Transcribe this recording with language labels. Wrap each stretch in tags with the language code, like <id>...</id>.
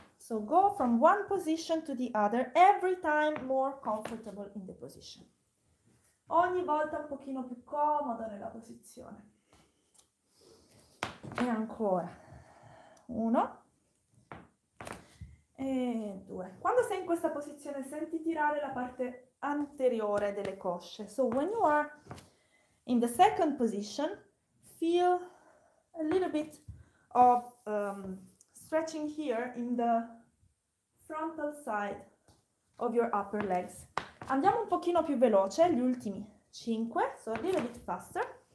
<en>So go from one position to the other, every time more comfortable in the position.</en> <it>Ogni volta un pochino più comodo nella posizione. E ancora. Uno. E due. Quando sei in questa posizione senti tirare la parte anteriore delle cosce.</it> <en>So when you are in the second position, feel a little bit of stretching here in the frontal side of your upper legs.</en> <it>Andiamo un pochino più veloce, gli ultimi 5,</it> <en>so a little bit faster.</en>